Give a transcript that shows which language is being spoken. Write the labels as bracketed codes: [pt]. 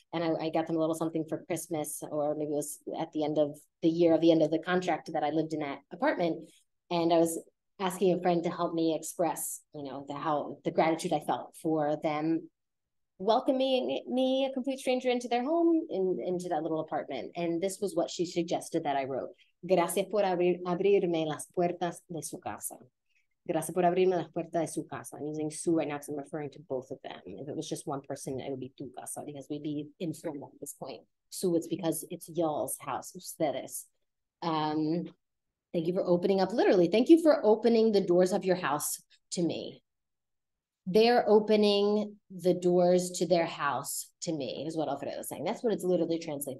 [en] And I got them a little something for Christmas, or maybe it was at the end of the year, at the end of the contract that I lived in that apartment. And I was asking a friend to help me express, you know, the gratitude I felt for them welcoming me, a complete stranger, into their home and into that little apartment. And this was what she suggested that I wrote. [es] Gracias por abrirme las puertas de su casa. Gracias por abrirme las puertas de su casa. [en] I'm using su right now because I'm referring to both of them. If it was just one person, it would be tu casa because we'd be informal at this point. Su, it's because it's y'all's house, ustedes. Thank you for opening up, literally. Thank you for opening the doors of your house to me. They're opening the doors to their house to me, is what Alfredo is saying. That's what it's literally translated.